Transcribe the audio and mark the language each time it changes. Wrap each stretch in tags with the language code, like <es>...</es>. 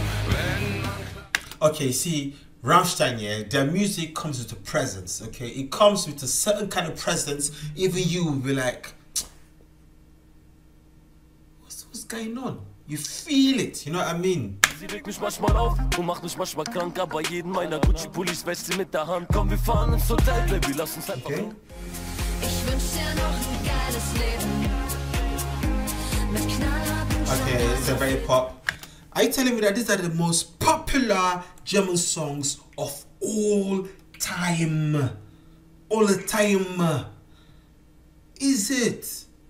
<en>Hey. Okay, see, Rammstein, yeah, their music comes with a presence, okay? It comes with a certain kind of presence. Even you will be like, going on, you feel it, you know what I mean?</en> <de>Sie regt mich manchmal auf und macht mich manchmal krank, aber jeden meiner Gucci Pullis wäscht sie mit der Hand. Komm, wir fahren ins Hotel, Baby, lass uns einfach. Ich wünsch dir noch ein geiles Leben mit Knallhart.</de> <en>Okay, it's a very pop. Are you telling me that these are the most popular German songs of all time? All the time, is it?</en>